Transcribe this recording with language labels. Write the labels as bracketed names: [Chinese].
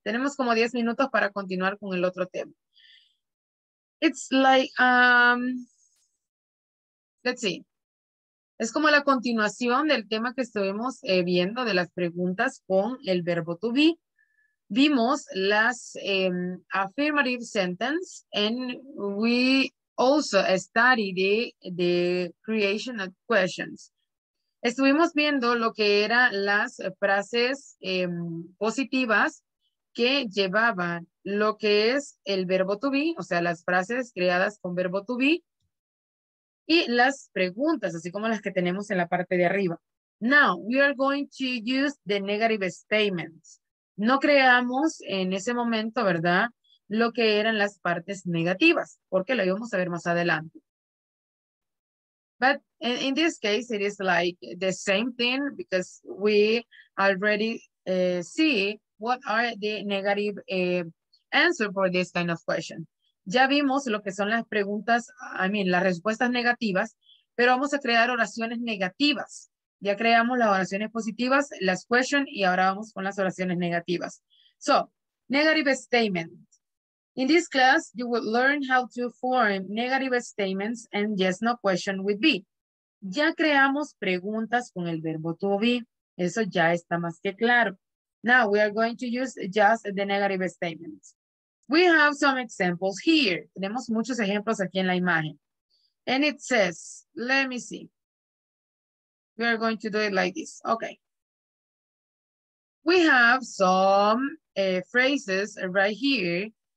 [Spanish] Tenemos como 10 minutos para continuar con el otro tema. [English] It's like, let's see. [Spanish] Es como la continuación del tema que estuvimos viendo de las preguntas con el verbo to be. vimos las [English] affirmative sentence, and we also studied the creation of questions. [Spanish] Estuvimos viendo lo que eran las frases positivas que llevaban lo que es el verbo to be, o sea, las frases creadas con verbo to be, y las preguntas, así como las que tenemos en la parte de arriba. [English] Now, we are going to use the negative statements. [Spanish] No creamos en ese momento, ¿verdad?, lo que eran las partes negativas, porque lo íbamos a ver más adelante. [English] But in this case, it is like the same thing because we already see what are the negative answer for this kind of question. [Spanish] Ya vimos lo que son las preguntas, [English] I mean, [Spanish] las respuestas negativas, pero vamos a crear oraciones negativas. Ya creamos las oraciones positivas, las question, y ahora vamos con las oraciones negativas. [English] So, negative statement. In this class, you will learn how to form negative statements and yes, no question with be. [Spanish] Ya creamos preguntas con el verbo to be. Eso ya está más que claro. [English] Now, we are going to use just the negative statements. We have some examples here. [Spanish] Tenemos muchos ejemplos aquí en la imagen. [English] And it says, let me see. We are going to do it like this. Okay. We have some phrases right here.